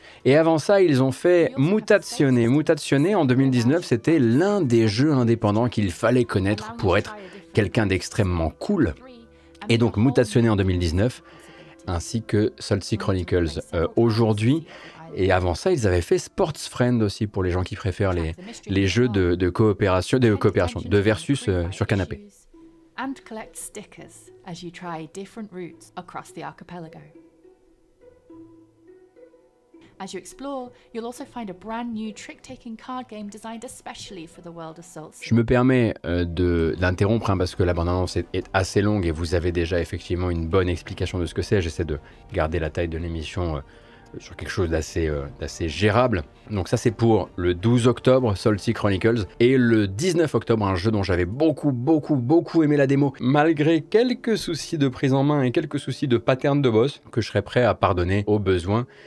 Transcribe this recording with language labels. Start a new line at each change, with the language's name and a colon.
French: Et avant ça, ils ont fait Mutazione. Mutazione, en 2019, c'était l'un des jeux indépendants qu'il fallait connaître pour être quelqu'un d'extrêmement cool. Et donc Mutazione en 2019, ainsi que Saltsea Chronicles aujourd'hui. Et avant ça, ils avaient fait Sports Friend aussi, pour les gens qui préfèrent les jeux de coopération, de versus sur canapé.
English: And collect stickers as you try different routes across the archipelago. As you explore, you'll also find a brand new trick-taking card game designed especially for the world of Saltsea.
French: Je me permets d'interrompre hein, parce que la bande-annonce est assez longue et vous avez déjà effectivement une bonne explication de ce que c'est. J'essaie de garder la taille de l'émission sur quelque chose d'assez gérable. Donc ça, c'est pour le 12 octobre, Saltsea Chronicles, et le 19 octobre, un jeu dont j'avais beaucoup, beaucoup, beaucoup aimé la démo, malgré quelques soucis de prise en main et quelques soucis de pattern de boss, que je serais prêt à pardonner au besoin.